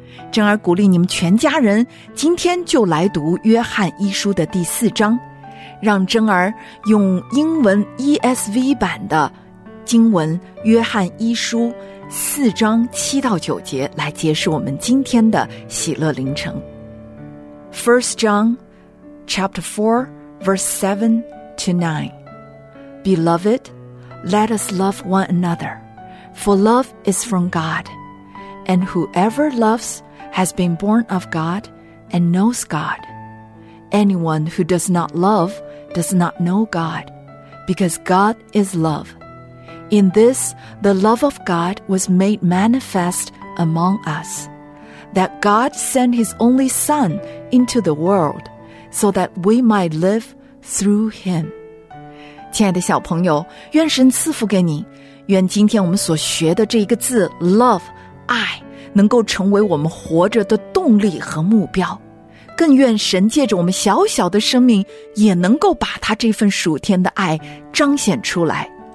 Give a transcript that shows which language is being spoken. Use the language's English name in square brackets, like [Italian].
[Chinese] 正儿鼓励你们全家人今天就来读约翰一书的第四章，让正儿用英文 ESV 版的经文约翰一书四章七到九节来结束我们今天的喜乐灵程。 [English] First John chapter 4 verse 7 to 9 Beloved, let us love one another, for love is from God, and whoever loves has been born of God and knows God. Anyone who does not love does not know God, because God is love. In this, the love of God was made manifest among us, that God sent his only Son into the world, so that we might live through him. [Chinese] 亲爱的小朋友，愿神赐福给你，愿今天我们所学的这一个字 love, 爱，能够成为我们活着的动力和目标。更愿神借着我们小小的生命，也能够把他这份属天的爱彰显出来。